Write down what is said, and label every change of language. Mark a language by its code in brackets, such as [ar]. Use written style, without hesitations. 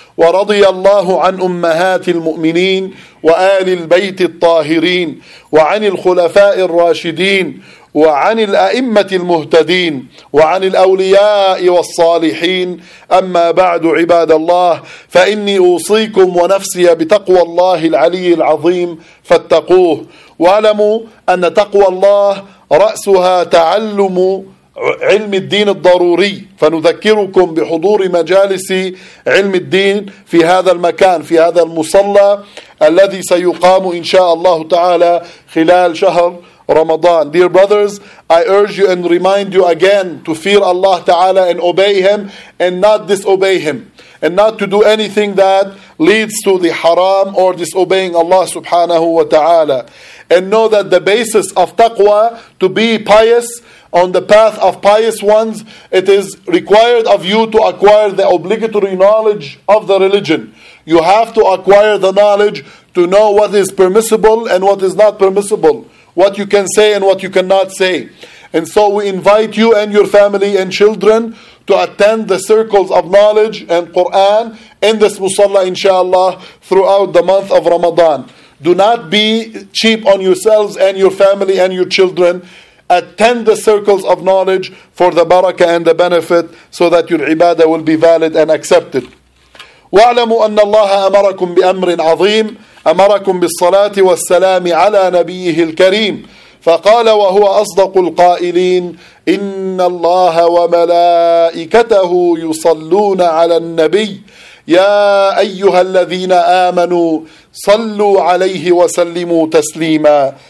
[ar] ورضي الله عن أمهات المؤمنين وآل البيت الطاهرين وعن الخلفاء الراشدين وعن الأئمة المهتدين وعن الأولياء والصالحين أما بعد عباد الله فإني أوصيكم ونفسي بتقوى الله العلي العظيم فاتقوه واعلموا أن تقوى الله رأسها تعلم علم الدين الضروري فنذكركم بحضور مجالس علم الدين في هذا المكان في هذا المصلى الذي سيقام إن شاء الله تعالى خلال شهر Ramadan. [en] Dear brothers, I urge you and remind you again to fear Allah Ta'ala and obey Him and not disobey Him and not to do anything that leads to the haram or disobeying Allah Subhanahu wa Ta'ala. And know that the basis of taqwa, to be pious on the path of pious ones, it is required of you to acquire the obligatory knowledge of the religion. You have to acquire the knowledge to know what is permissible and what is not permissible, what you can say and what you cannot say. And so we invite you and your family and children to attend the circles of knowledge and Quran in this musalla, inshallah, throughout the month of Ramadan. Do not be cheap on yourselves and your family and your children. Attend the circles of knowledge for the barakah and the benefit so that your ibadah will be valid and accepted. [ar] وَاعْلَمُوا أَنَّ اللَّهَ أَمَرَكُمْ بِأَمْرٍ عَظِيمٍ أمركم بالصلاة والسلام على نبيه الكريم فقال وهو أصدق القائلين إن إِنَّ اللَّهَ وَمَلَائِكَتَهُ يُصَلُّونَ عَلَى النَّبِيِّ يَا أَيُّهَا الَّذِينَ آمَنُوا صلوا عليه وسلموا تسليما.